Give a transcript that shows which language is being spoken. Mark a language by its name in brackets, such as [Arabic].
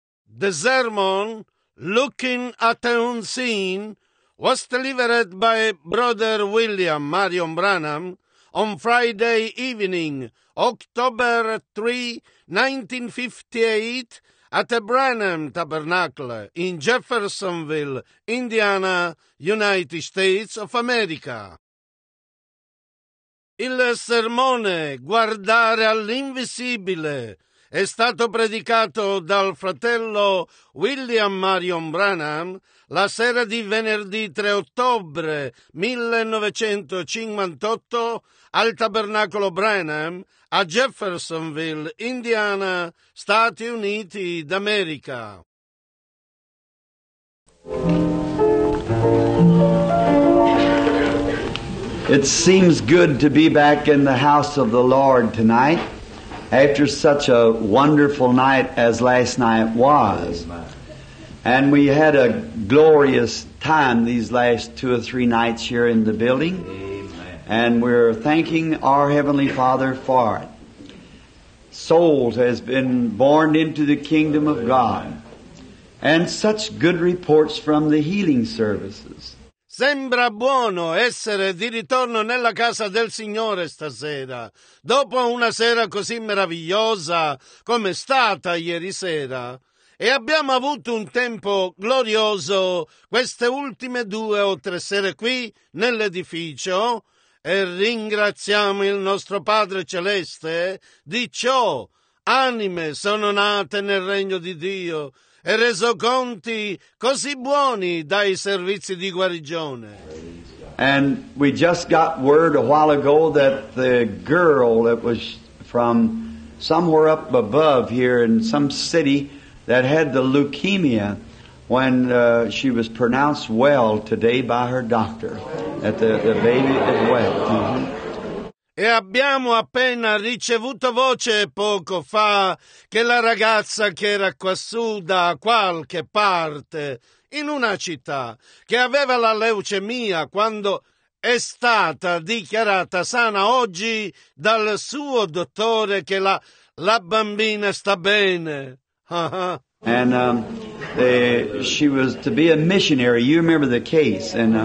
[English] The sermon, Looking at a Unseen, was delivered by Brother William Marion Branham on Friday evening, October 3, 1958, at a Branham Tabernacle in Jeffersonville, Indiana, United States of America. [Italian] Il sermone Guardare all'invisibile è stato predicato dal fratello William Marion Branham la sera di venerdì 3 ottobre 1958 al Tabernacolo Branham a Jeffersonville, Indiana, Stati Uniti d'America. [English] It seems good to be back in the house of the Lord tonight after such a wonderful night as last night was. And we had a glorious time these last two or three nights here in the building. And we're thanking our Heavenly Father for it. Souls has been born into the kingdom of God. And such good reports from the healing services. [Italian] Sembra buono essere di ritorno nella casa del Signore stasera, dopo una sera così meravigliosa come è stata ieri sera. E abbiamo avuto un tempo glorioso queste ultime due o tre sere qui nell'edificio e ringraziamo il nostro Padre Celeste di ciò. Anime sono nate nel regno di Dio e reso conti così buoni dai servizi di guarigione. [English] And we just got word a while ago that the girl that was from somewhere up above here in some city that had the leukemia when she was pronounced well today by her doctor, that the baby is well. Mm-hmm. [Italian] E abbiamo appena ricevuto voce poco fa che la ragazza che era quassù da qualche parte, in una città, che aveva la leucemia quando è stata dichiarata sana oggi dal suo dottore che la bambina sta bene. [English] And she was to be a missionary. You remember the case.